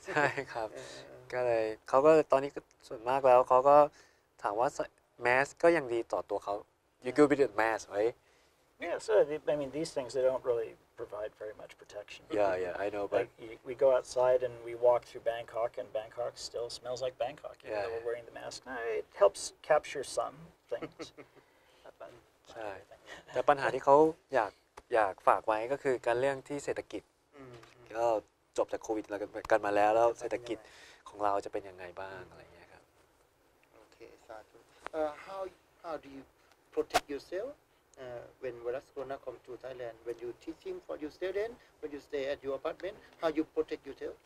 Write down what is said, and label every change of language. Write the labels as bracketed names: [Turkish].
[Thai] ใช่ครับก็เลยเขาก็ตอนนี้ก็ส่วนมากแล้วเขาก็ถามว่าแมสก็ยังดีต่อตัวเขา [English] you could be the mask right yeah so I mean these things they don't really provide very much protection yeah I know but like, we go outside and we walk through Bangkok and Bangkok still smells like Bangkok even though we're wearing the mask it helps capture some things [Thai] ใช่แต่ปัญหาที่เขาอยากฝากไว้ก็คือการเรื่องที่เศรษฐกิจก็จบจากโควิดกันมาแล้วแล้วเศรษฐกิจของเราจะเป็นยังไงบ้างอะไรเงี้ยครับ โอเคสาธุ [English] how do you protect yourself when virus corona come to Thailand when you teaching for your student when you stay at your apartment how you protect yourself